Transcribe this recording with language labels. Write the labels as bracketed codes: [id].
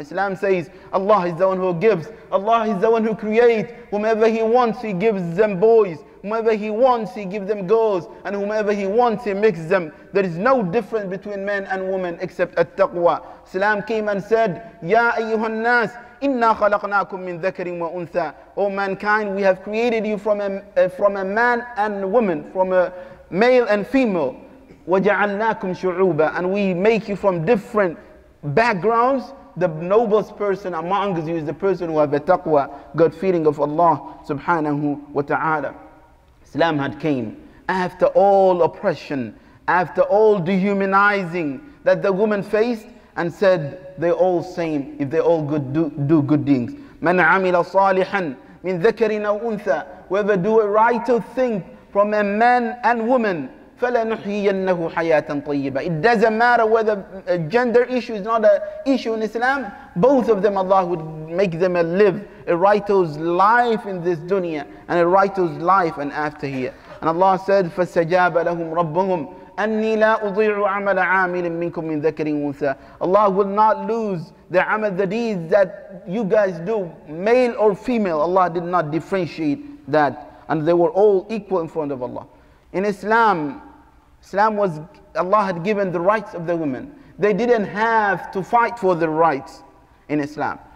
[en] Islam says, Allah is the one who gives. Allah is the one who creates. Whomever he wants, he gives them boys. Whomever he wants, he gives them girls. And whomever he wants, he makes them. There is no difference between men and women except at taqwa. Islam came and said, [ar] يَا أَيُّهَا النَّاسِ إِنَّا خَلَقْنَاكُمْ مِنْ ذَكَرٍ وَأُنْثَى. [en] O mankind, we have created you from a man and woman, from a male and female. [ar] وَجَعَلْنَاكُمْ شُعُوبًا. [en] And we make you from different backgrounds. The noblest person among you is the person who has a taqwa, God fearing of Allah subhanahu wa ta'ala. Islam had came after all oppression, after all dehumanizing that the woman faced, and said, they're all same if they all good, do good deeds. [ar] مَنْ عَمِلَ صَالِحًا مِنْ ذَكَرٍ أَوْ أُنْثَى. [en] Whoever do a righteous thing from a man and woman, [ar] فَلَنُحْيِيَنَّهُ حَيَاةً طَيِّبًا. [en] It doesn't matter whether a gender issue is not an issue in Islam, both of them Allah would make them live a righteous life in this dunya and a righteous life and after here. And Allah said, [ar] فَسَجَابَ لَهُمْ رَبُّهُمْ. أني لا أضيع عمل عامل منكم من ذكر أنثى. [en] Allah will not lose the amal, the deeds that you guys do, male or female. Allah did not differentiate that, and they were all equal in front of Allah. In Islam, Islam was, Allah had given the rights of the women. They didn't have to fight for their rights in Islam.